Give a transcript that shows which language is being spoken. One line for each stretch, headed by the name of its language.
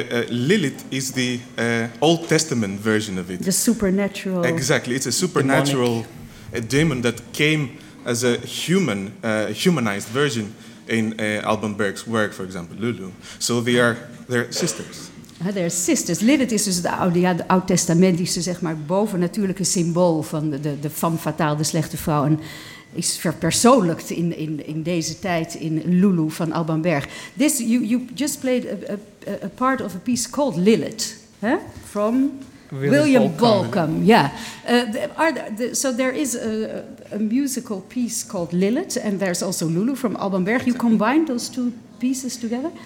English: Lilith is the Old Testament version of it. The supernatural. Exactly, it's a supernatural demon that came as a human, humanized version in Alban Berg's work, for example, Lulu. So they are their sisters. They're sisters.
Dutch: Lilith is dus de oude, ja, de oud testamentische, zeg maar, bovennatuurlijke symbool van de femme fatale, de slechte vrouw. En is verpersoonlijkt in deze tijd in Lulu van Alban Berg.
English: This, you just played a part of a piece called Lilith, huh? From William Bolcom. Yeah. So there is a musical piece called Lilith, and there's also Lulu from Alban Berg. You combine those two pieces together?